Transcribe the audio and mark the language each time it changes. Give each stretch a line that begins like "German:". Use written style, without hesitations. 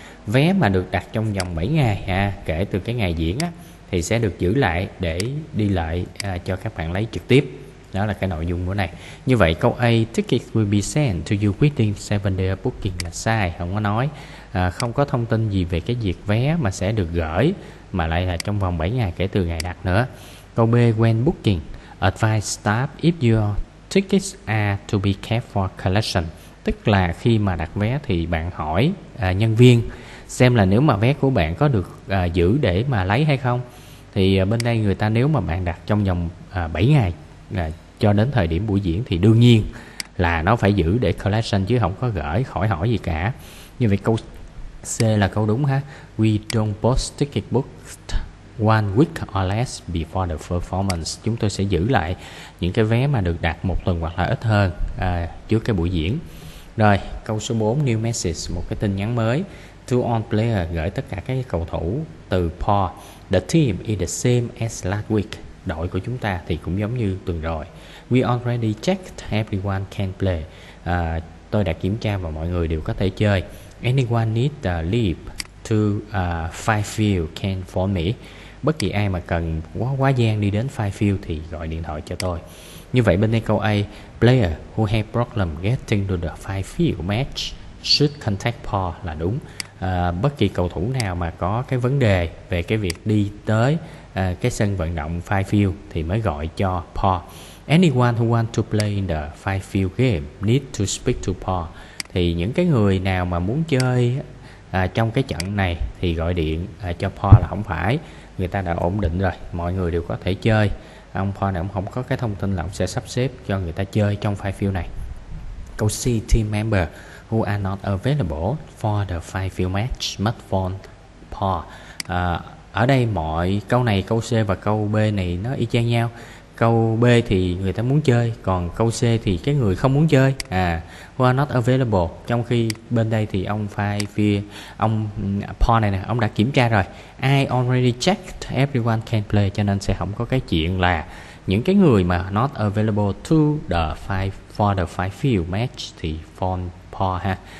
Vietnamese: Vé mà được đặt trong vòng 7 ngày kể từ cái ngày diễn á thì sẽ được giữ lại để đi lại cho các bạn lấy trực tiếp. Đó là cái nội dung của này. Như vậy câu A,
English: ticket will be sent to you within 7 days of booking,
Vietnamese: là sai, không có nói. Không có thông tin gì về cái việc vé mà sẽ được gửi mà lại là trong vòng 7 ngày kể từ ngày đặt nữa. Câu B,
English: when booking, advise staff if your tickets are to be kept for collection.
Vietnamese: Tức là khi mà đặt vé thì bạn hỏi nhân viên xem là nếu mà vé của bạn có được giữ để mà lấy hay không. Thì bên đây người ta, nếu mà bạn đặt trong vòng 7 ngày cho đến thời điểm buổi diễn thì đương nhiên là nó phải giữ để collection, chứ không có gửi, khỏi hỏi gì cả. Như vậy câu C là câu đúng ha.
English: We don't post ticket books 1 week or less before the performance.
Vietnamese: Chúng tôi sẽ giữ lại những cái vé mà được đặt một tuần hoặc là ít hơn trước cái buổi diễn. Rồi, câu số 4,
English: new message,
Vietnamese: một cái tin nhắn mới.
English: To all players,
Vietnamese: gửi tất cả các cầu thủ từ Paul.
English: The team is the same as last week.
Vietnamese: Đội của chúng ta thì cũng giống như tuần rồi.
English: We already checked, everyone can play.
Vietnamese: Tôi đã kiểm tra và mọi người đều có thể chơi.
English: Anyone need to leave to Fifield can phone me.
Vietnamese: Bất kỳ ai mà cần quá gian đi đến Fifield thì gọi điện thoại cho tôi. Như vậy bên đây câu A,
English: player who have problem getting to the Fifield match should contact Paul
Vietnamese: là đúng. Bất kỳ cầu thủ nào mà có cái vấn đề về cái việc đi tới cái sân vận động Fifield thì mới gọi cho Paul.
English: Anyone who want to play in the Fifield game need to speak to Paul.
Vietnamese: Thì những cái người nào mà muốn chơi trong cái trận này thì gọi điện cho Paul là không phải. Người ta đã ổn định rồi, mọi người đều có thể chơi. Ông Paul này ông không có cái thông tin là ông sẽ sắp xếp cho người ta chơi trong Fifield này. Câu C,
English: team member who are not available for the Fifield match must phone Paul.
Vietnamese: Ở đây mọi câu này, câu C và câu B này nó y chang nhau. Câu B thì người ta muốn chơi, còn câu C thì cái người không muốn chơi.
English: Who are not available.
Vietnamese: Trong khi bên đây thì ông Fifield, ông Paul này nè, ông đã kiểm tra rồi.
English: I already checked, everyone can play.
Vietnamese: Cho nên sẽ không có cái chuyện là những cái người mà
English: not available to the for the Fifield match thì phone Paul ha.